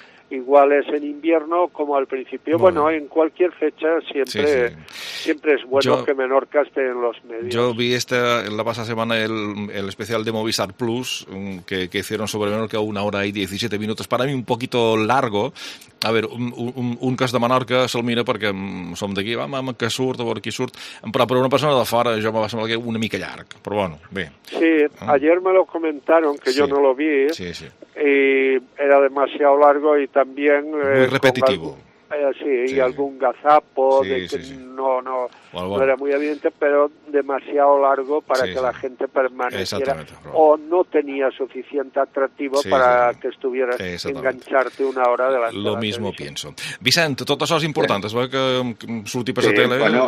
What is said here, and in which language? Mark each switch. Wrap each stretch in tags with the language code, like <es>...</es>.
<es>Igual es en invierno como al principio. Bueno en cualquier fecha siempre siempre es bueno que Menorca esté en los medios. Yo vi la pasada semana el especial de Movistar Plus que hicieron sobre Menorca, 1 hora y 17 minutos, para mí un poquito largo.</es> <ca>A ver, un cas de Menorca se'l mira perquè som d'aquí, que surt, a veure qui surt, però per una persona de fora jo me va semblar que una mica llarg, però bueno, bé.</ca> <es>Sí, ayer me lo comentaron, que yo no lo vi, sí. Y era demasiado largo y también... Muy repetitivo. Sí, y algún gazapo, sí, de que sí, sí. No era muy evidente, pero demasiado largo para que la gente permaneciera, o no tenía suficiente atractivo para que estuvieras engancharte una hora de la tarde. Lo mismo pienso.</es> <ca>Vicent, tot això és important, es veu que surti per la tele?</ca>